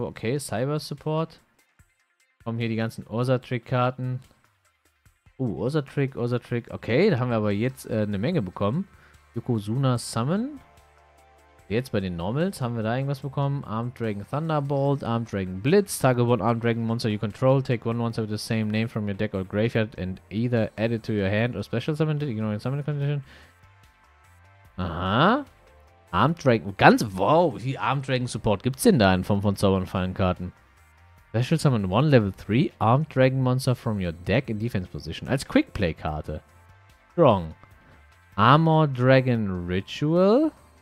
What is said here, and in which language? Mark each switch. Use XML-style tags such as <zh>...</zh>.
<de>Okay, Cyber Support. Kommen hier die ganzen Ursa-Trick-Karten. Ursa-Trick. Okay, da haben wir aber jetzt eine Menge bekommen. Yokozuna Summon. Jetzt bei den Normals haben wir da irgendwas bekommen.</de> <en>Armed Dragon Thunderbolt, Armed Dragon Blitz, Target One Armed Dragon Monster you control. Take one monster with the same name from your deck or graveyard and either add it to your hand or special summon it. Ignore your summon condition. Aha. Armed Dragon.</en> <de>Ganz wow, wie Armed Dragon Support gibt es denn da in Form von Zaubern und Fallenkarten?</de> <en>Special Summon 1 Level 3 Armed Dragon Monster from your deck in Defense Position.</en> <de>Als Quick Play Karte. Strong. Armor Dragon Ritual.</de>